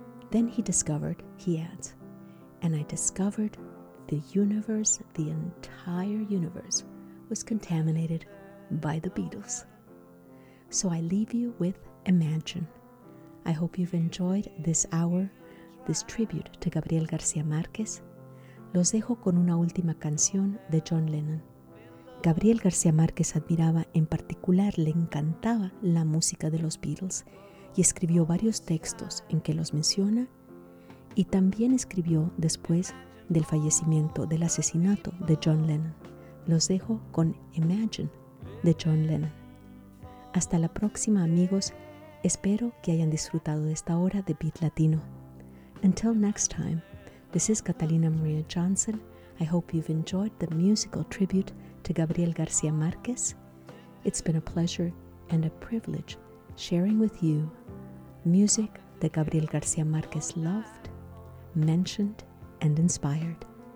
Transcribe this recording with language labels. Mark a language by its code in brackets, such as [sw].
[en] Then he discovered, he adds, "And I discovered the universe, the entire universe, was contaminated by the Beatles." So I leave you with Imagine. I hope you've enjoyed this hour, this tribute to Gabriel García Márquez. [es] Los dejo con una última canción de John Lennon. Gabriel García Márquez admiraba, en particular le encantaba la música de los Beatles y escribió varios textos en que los menciona, y también escribió después del fallecimiento, del asesinato de John Lennon. Los dejo con Imagine de John Lennon. Hasta la próxima, amigos. Espero que hayan disfrutado de esta hora de Beat Latino. [en] Until next time, this is Catalina Maria Johnson. I hope you've enjoyed the musical tribute to Gabriel García Márquez. It's been a pleasure and a privilege sharing with you music that Gabriel García Márquez loved, mentioned, and inspired.